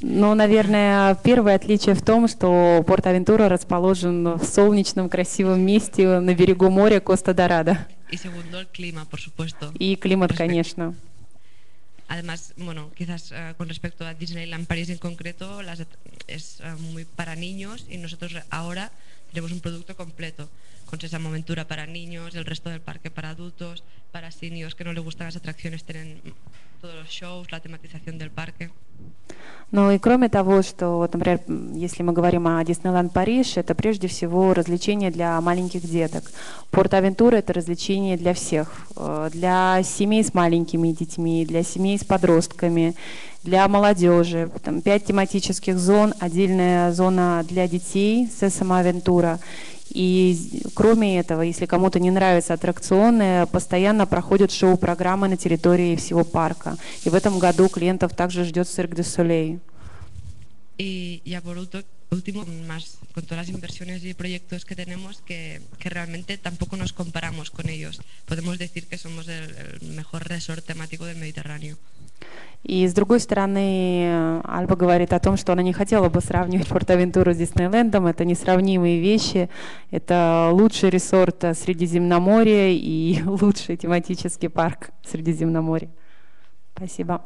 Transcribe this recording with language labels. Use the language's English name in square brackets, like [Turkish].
[Russian] No, наверное, первое отличие в том, что PortAventura расположен в солнечном красивом месте на берегу моря Costa Dorada. [Spanish] Y segundo, el clima, por supuesto. Y clima, [Russian] конечно. [Spanish] Además, bueno, quizás con respecto a Disneyland París en concreto, es muy para niños y nosotros ahora tenemos un producto completo con Sesame Aventura para niños, el resto del parque para adultos, para seniors que no les gustan las atracciones, tienen todos los shows, la tematización del parque. [Russian] Ну и кроме того, что, например, если мы говорим о Диснейленд Париж, это прежде всего развлечение для маленьких деток. Порт-Авентура – это развлечение для всех, для семей с маленькими детьми, для семей с подростками, для молодежи. Там 5 тематических зон, отдельная зона для детей – Сесама Авентура. И кроме этого, если кому-то не нравятся аттракционы, постоянно проходят шоу-программы на территории всего парка. И в этом году клиентов также ждет Cirque du Soleil. И я [Spanish] por último, más con todas las inversiones y proyectos que tenemos, que realmente tampoco nos comparamos con ellos. Podemos decir que somos el mejor resort temático del Mediterráneo. [Russian] И с другой стороны, Альба говорит о том, что она не хотела бы сравнивать Порт-Авентуру с Диснейлендом. Это несравнимые вещи. Это лучший ресорт Средиземноморья и лучший тематический парк Средиземноморья. Спасибо.